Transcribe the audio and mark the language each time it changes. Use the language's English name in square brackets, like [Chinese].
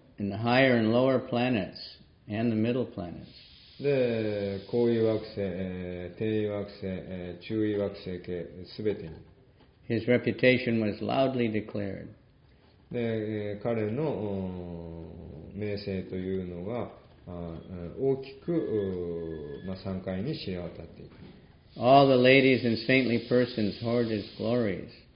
[English] In the higher and lower planets and the middle planets, [Japanese] で、高位惑星、低位惑星、中位惑星系すべてに。 [English] His reputation was loudly declared. [Japanese] で、彼の名声というのが大きく、まあ、3階に知れ渡っていく。 [English] All the ladies and saintly persons heard his glories.